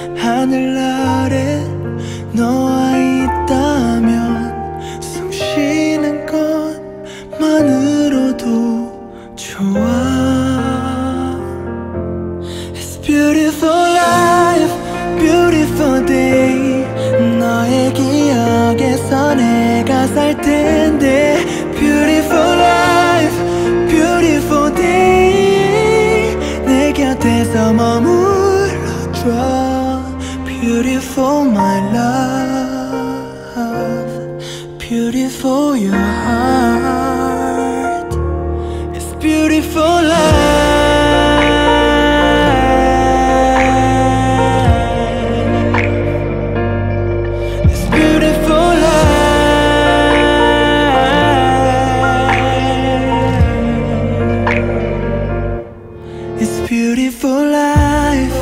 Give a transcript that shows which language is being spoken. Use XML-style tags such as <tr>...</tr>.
<ko>하늘 아래 너와 있다면 숨 쉬는 것만으로도 좋아.</ko> <en>It's beautiful life, beautiful day.</en> <ko>너의 기억에서 내가 살 텐데.</ko> <en>Beautiful life, beautiful day.</en> <ko>내 곁에서 머물러줘.</ko> <en>Beautiful my love, beautiful your heart, it's beautiful love, it's beautiful love, it's beautiful life.</en>